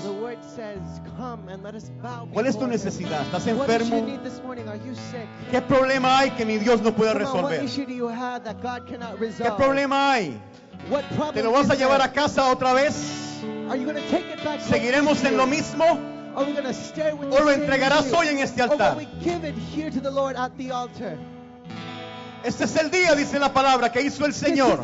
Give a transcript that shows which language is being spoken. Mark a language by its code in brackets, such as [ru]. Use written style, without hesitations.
[en] The word says, come and let us bow. [es] ¿Cuál es tu necesidad? ¿Estás enfermo? [en] What is your need this morning? Are you sick? [es] ¿Qué problema hay que mi Dios no pueda resolver? [en] What issue do you have that God cannot resolve? [es] ¿Qué problema hay? [en] What problem? [es] ¿Te lo vas a llevar a casa otra vez? [en] Are you going to take it back? [es] ¿Seguiremos en lo mismo? [en] Are we going to stay with [es] ¿O lo entregarás hoy en este altar? [en] Or will we give it here to the Lord at the altar? [es] Este es el día, dice la palabra, que hizo el Señor.